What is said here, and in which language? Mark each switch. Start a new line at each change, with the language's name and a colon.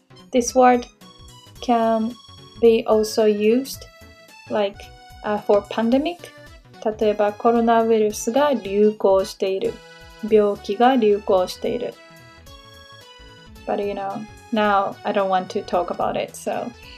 English: This word can be also used like for pandemic.
Japanese: 例えばコロナウイルスが流行している。病気が流行している。
English: But you know, now I don't want to talk about it, so.